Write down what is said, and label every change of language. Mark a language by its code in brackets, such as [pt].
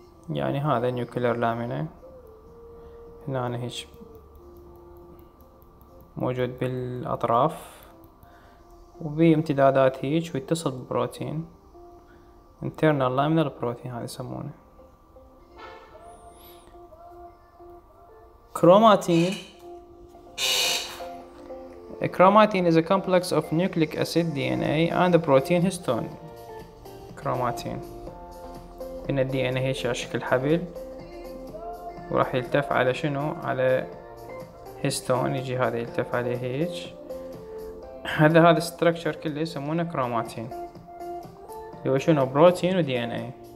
[ar] يعني هذا nuclear lamina. هنا هيج موجود بالأطراف وبامتدادات هيج، ويتصل ببروتين internal lamina البروتين هذا يسمونه. [en] Chromatin is a complex of nucleic acid DNA and a protein histone. [ar] كروماتين ان الدي ان اي هيش على شكل حبل وراح يلتف على شنو، على هيستون، يجي هذا يلتف عليه هيج، هذا الستركتشر كله يسمونه كروماتين، اللي هو شنو بروتين ودي ان اي.